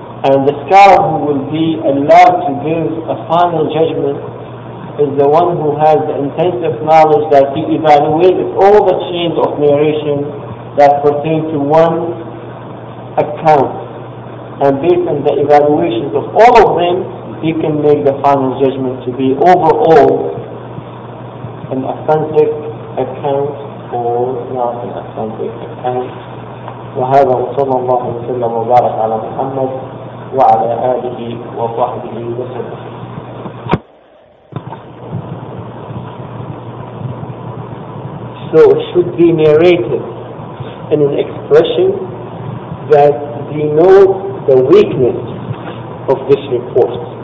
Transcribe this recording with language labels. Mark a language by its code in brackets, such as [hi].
[en] And the scholar who will be allowed to give a final judgment is the one who has the intensive knowledge that he evaluated all the chains of narration that pertain to one account. And based on the evaluations of all of them, he can make the final judgment to be overall an authentic account or not an authentic account. [ar] وهذا صلى الله عليه وسلم وبارك على محمد وعلى آله وصحبه وسلم. [en] So it should be narrated in an expression that denotes the weakness of this report.